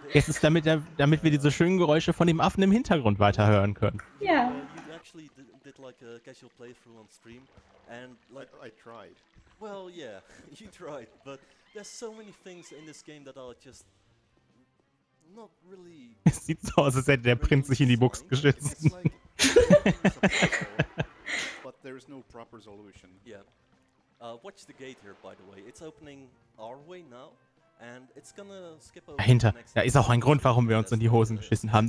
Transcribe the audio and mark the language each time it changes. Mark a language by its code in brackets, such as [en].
[de] Jetzt ist damit wir diese schönen Geräusche von dem Affen im Hintergrund weiterhören können. Ja. [en] You actually did like a casual playthrough on stream and like I tried. Well, yeah, you tried, but there's so many things in this game that are just not really. [de] Es sieht so aus, als hätte der Prinz sich in die Buchs geschissen. [en] But there is no proper solution. Watch the gate here, by the way. It's opening our way now, and it's gonna skip over. [de] Dahinter, da ist auch ein Grund, warum wir uns in die Hosen geschissen haben.